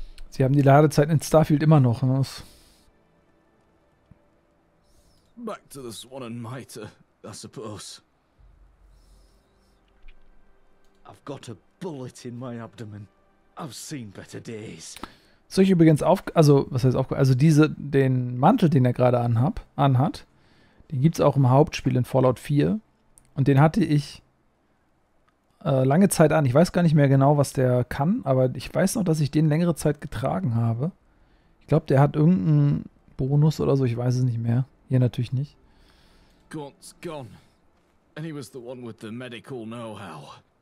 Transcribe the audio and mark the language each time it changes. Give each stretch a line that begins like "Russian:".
German: Sie haben die Ladezeiten in Starfield immer noch, ne?
English: Back to the Swan and Mitre, I suppose. I've got a bullet in my abdomen. I've seen better days.
German: Soll ich übrigens auf, also was heißt auf, also diese, den Mantel, den er gerade anhat. Den gibt es auch im Hauptspiel in Fallout 4. Und den hatte ich lange Zeit an. Ich weiß gar nicht mehr genau, was der kann. Aber ich weiß noch, dass ich den längere Zeit getragen habe. Ich glaube, der hat irgendeinen Bonus oder so. Ich weiß es nicht mehr. Hier natürlich nicht.
English: Gaunt's gone. And he was the one with the medical know-how.